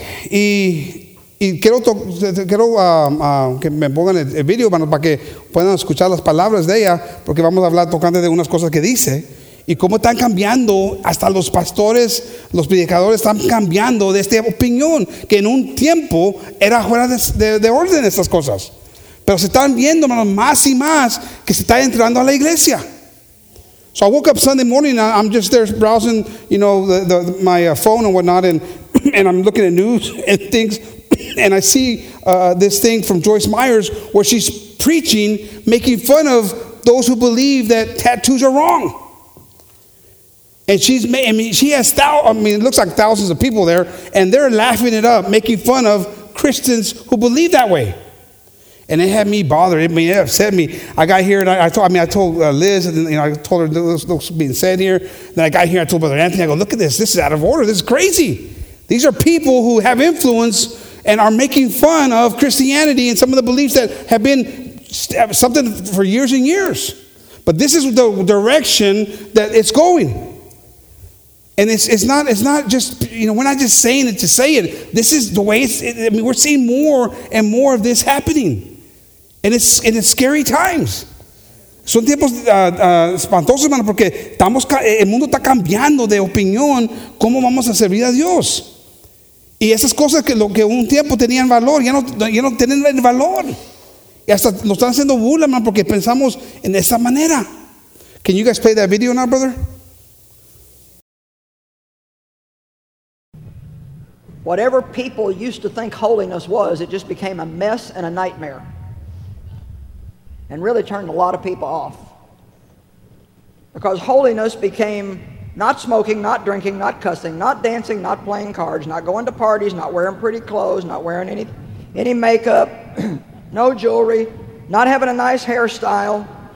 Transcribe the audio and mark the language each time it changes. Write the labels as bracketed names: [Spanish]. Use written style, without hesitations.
[Spanish] Y quiero que me pongan el video, hermanos, para que puedan escuchar las palabras de ella, porque vamos a hablar tocando de unas cosas que dice y cómo están cambiando. Hasta los pastores, los predicadores están cambiando de esta opinión, que en un tiempo era fuera de orden estas cosas, pero se están viendo, hermanos, más y más que se está entrando a la iglesia. [English] So I woke up Sunday morning and I'm just there browsing, you know, my phone and whatnot, and I'm looking at news and things. And I see this thing from Joyce Myers where she's preaching, making fun of those who believe that tattoos are wrong. And she's made, looks like thousands of people there, and they're laughing it up, making fun of Christians who believe that way. And it had me bothered. It upset me. I got here, and I told Liz, and you know, I told her what's being said here. Then I got here, I told Brother Anthony, I go, look at this. This is out of order. This is crazy. These are people who have influence and are making fun of Christianity and some of the beliefs that have been something for years and years. But this is the direction that it's going. And it's not just, you know, we're not just saying it to say it. This is the way we're seeing more and more of this happening. And it's scary times. [Spanish] Son tiempos espantosos, hermano, porque el mundo está cambiando de opinión cómo vamos a servir a Dios. Y esas cosas que lo que un tiempo tenían valor, ya no tienen el valor. Y hasta nos están haciendo burla, hermano, porque pensamos en esa manera. [English] Can you guys play that video now, brother? Whatever people used to think holiness was, it just became a mess and a nightmare. And really turned a lot of people off. Because holiness became not smoking, not drinking, not cussing, not dancing, not playing cards, not going to parties, not wearing pretty clothes, not wearing any makeup, no jewelry, not having a nice hairstyle.